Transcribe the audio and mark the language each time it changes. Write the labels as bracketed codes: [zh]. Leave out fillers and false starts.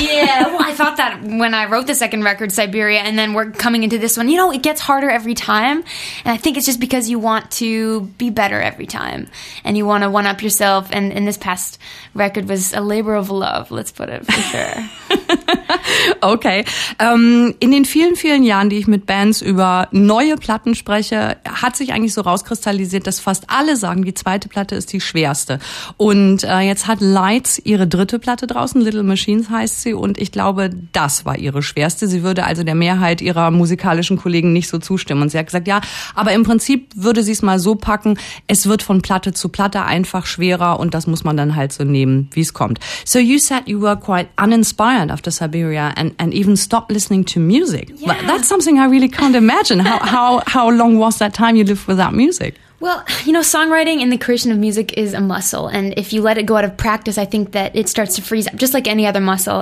[en] Yeah, well, I thought that when I wrote the second record, Siberia, and then we're coming into this one. You know, it gets harder every time. And I think it's just because you want to be better every time. And you want to one-up yourself. And in this past record was a labor of love, let's put it, for sure. Okay. [de] In den vielen, vielen Jahren, die ich mit Bands über neue Platten spreche, hat sich eigentlich so rauskristallisiert, dass fast alle sagen, die zweite Platte ist die schwerste. Und jetzt hat Lights ihre dritte Platte draußen, Little Machines heißt sie, und ich glaube, das war ihre schwerste. Sie würde also der Mehrheit ihrer musikalischen Kollegen nicht so zustimmen. Und sie hat gesagt, ja, aber im Prinzip würde sie es mal so packen, es wird von Platte zu Platte einfach schwerer und das muss man dann halt so nehmen, wie es kommt. [en] So you said you were quite uninspired after Siberia and even stopped listening to music. Yeah. That's something I really can't imagine. How long was that time you lived without music? Well, you know, songwriting and the creation of music is a muscle. And if you let it go out of practice, I think that it starts to freeze up, just like any other muscle.